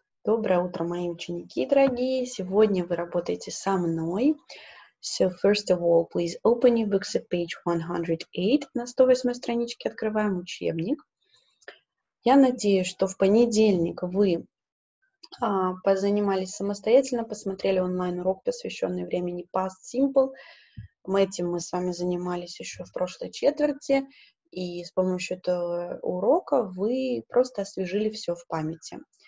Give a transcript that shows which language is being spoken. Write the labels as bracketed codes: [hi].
[ru] Доброе утро, мои ученики дорогие. Сегодня вы работаете со мной. [en] So, first of all, please open your books at page 108. [ru] На 108 страничке открываем учебник. Я надеюсь, что в понедельник вы позанимались самостоятельно, посмотрели онлайн-урок, посвященный времени Past Simple. Этим мы с вами занимались еще в прошлой четверти. И с помощью этого урока вы просто освежили все в памяти.